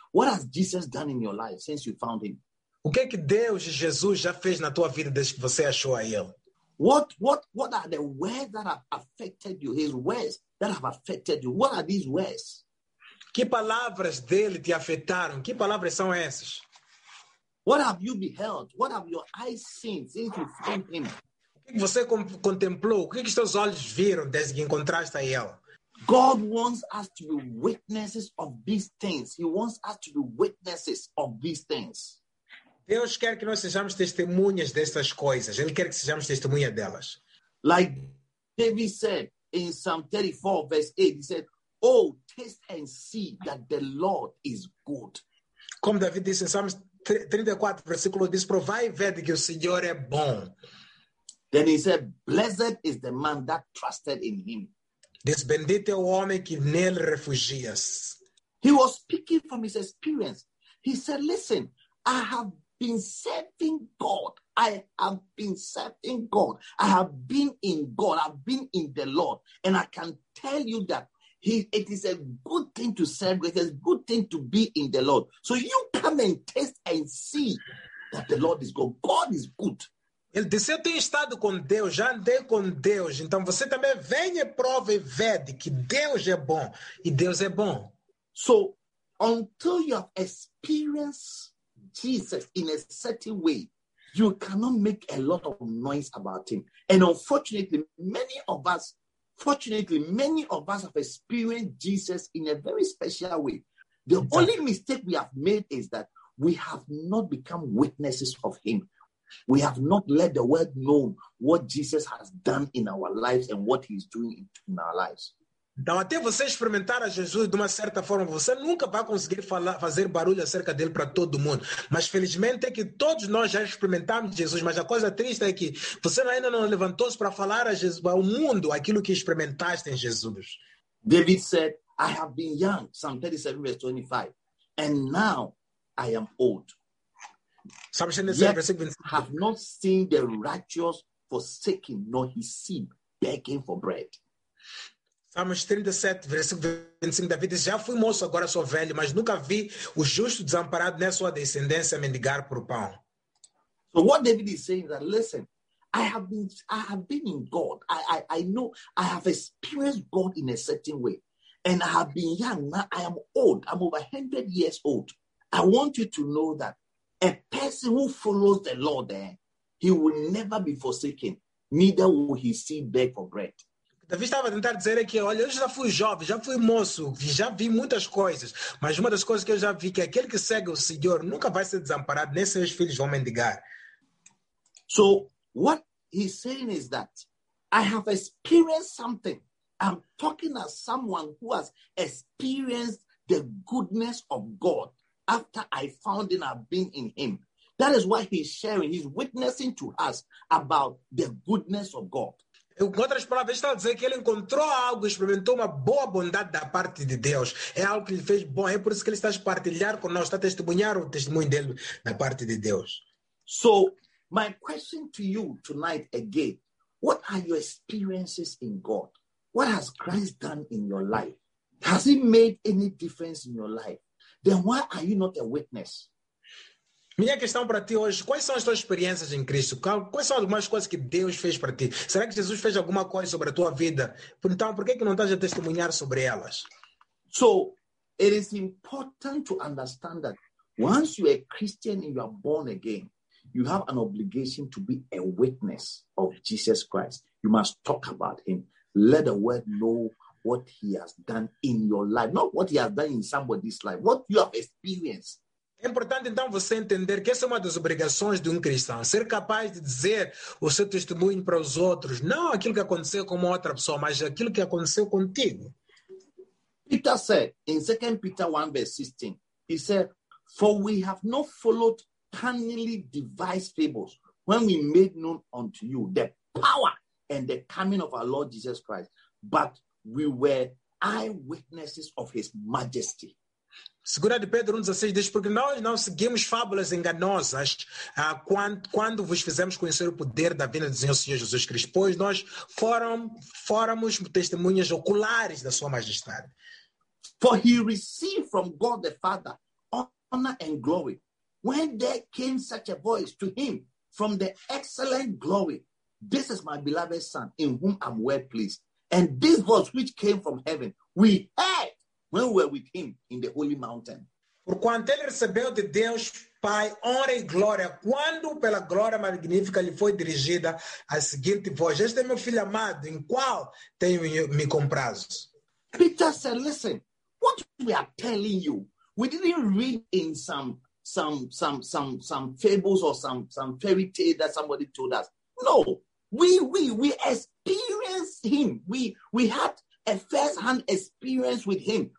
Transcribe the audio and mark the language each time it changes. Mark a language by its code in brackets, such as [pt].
[en] What has Jesus done in your life since you found Him? [pt] O que é que Deus e Jesus já fez na tua vida desde que você achou a Ele? [en] What are the words that have affected you? His words that have affected you. What are these words? [pt] Que palavras dele te afetaram? Que palavras são essas? [en] What have you beheld? What have your eyes seen since you found Him? [pt] O que você contemplou? O que os teus olhos viram desde que encontraste a Ele? [en] God wants us to be witnesses of these things. He wants us to be witnesses of these things. [pt] Deus quer que nós sejamos testemunhas destas coisas. Ele quer que sejamos testemunhas delas. [en] Like David said in Psalm 34, verse 8, he said, "Oh, taste and see that the Lord is good." [pt] Como David disse em Psalm 34, versículo 8, provai e vede que o Senhor é bom. [en] Then he said, "Blessed is the man that trusted in Him." [pt] Diz, bendito é o homem que nele refugias. [en] He was speaking from his experience. He said, "Listen, I have been serving God. I have been serving God. I have been in God. I've been in the Lord. And I can tell you that it is a good thing to serve. It is a good thing to be in the Lord. So you come and taste and see that the Lord is good. God is good." [pt] Ele disse, eu tenho estado com Deus, já andei com Deus. Então você também venha e prova e vede que Deus é bom. E Deus é bom. [en] So, until you have experienced Jesus in a certain way, you cannot make a lot of noise about Him. And fortunately, many of us have experienced Jesus in a very special way. The only mistake we have made is that we have not become witnesses of Him. We have not let the world know what Jesus has done in our lives and what He is doing in our lives. [pt] Então, até você experimentar a Jesus de uma certa forma, você nunca vai conseguir fazer barulho acerca dele para todo mundo. Mas felizmente é que todos nós já experimentamos Jesus, mas a coisa triste é que você ainda não levantou-se para falar a Jesus, ao mundo aquilo que experimentaste em Jesus. [en] David said, "I have been young," Psalm 37, verse 25, "and now I am old. Yet have not seen the righteous forsaken, nor his seed begging for bread." [pt] Salmos 37, versículo 25, David diz, já fui moço, agora sou velho, mas nunca vi o justo desamparado nem sua descendência mendigar por pão. [en] So what David is saying is that, listen, I have been in God. I know, I have experienced God in a certain way. And I have been young, now I am old. I'm over 100 years old. I want you to know that a person who follows the Lord, he will never be forsaken. Neither will he see beg for bread. [pt] Davi estava tentando dizer aqui, olha, eu já fui jovem, já fui moço, já vi muitas coisas. Mas uma das coisas que eu já vi, que aquele que segue o Senhor nunca vai ser desamparado, nem seus filhos vão mendigar. [en] So, what he's saying is that I have experienced something. I'm talking as someone who has experienced the goodness of God. After I found Him, I've been in Him. That is why He's sharing. He's witnessing to us about the goodness of God. [pt] Em outras palavras, está a dizer que ele encontrou algo, experimentou uma boa bondade da parte de Deus. É algo que lhe fez bom. É por isso que ele está a partilhar com nós, está a testemunhar o testemunho dele da parte de Deus. [en] So, my question to you tonight again: what are your experiences in God? What has Christ done in your life? Has He made any difference in your life? Then why are you not a witness? [pt] Minha questão para ti hoje, quais são as tuas experiências em Cristo? Quais são algumas coisas que Deus fez para ti? Será que Jesus fez alguma coisa sobre a tua vida? Então, por que que não estás a testemunhar sobre elas? [en] So, it is important to understand that once you are a Christian and you are born again, you have an obligation to be a witness of Jesus Christ. You must talk about him. Let the world know what he has done in your life. Not what he has done in somebody's life. What you have experienced. [pt] É importante, então, você entender que essa é uma das obrigações de um cristão. Ser capaz de dizer o seu testemunho para os outros. Não aquilo que aconteceu com uma outra pessoa, mas aquilo que aconteceu contigo. [en] Peter said, in 2 Peter 1, verse 16, he said, "For we have not followed cunningly devised fables when we made known unto you the power and the coming of our Lord Jesus Christ, but we were eyewitnesses of his majesty." [pt] Segura de Pedro 1,16 diz, porque nós não seguimos fábulas enganosas quando vos fizemos conhecer o poder da vinda do Senhor Jesus Cristo, pois nós fomos testemunhas oculares da sua majestade. [en] For he received from God the Father honor and glory when there came such a voice to him from the excellent glory, "This is my beloved Son in whom I'm well pleased." And this voice which came from heaven, we heard when we were with him in the holy mountain. [pt] Porquanto ele recebeu de Deus Pai honra e glória, quando pela glória magnífica lhe foi dirigida a seguinte voz: "Este é meu filho amado, em qual tenho me comprado." [en] Peter said, "Listen, what we are telling you, we didn't read in some fables or some fairy tale that somebody told us. No, we experienced him. We had a first-hand experience with him.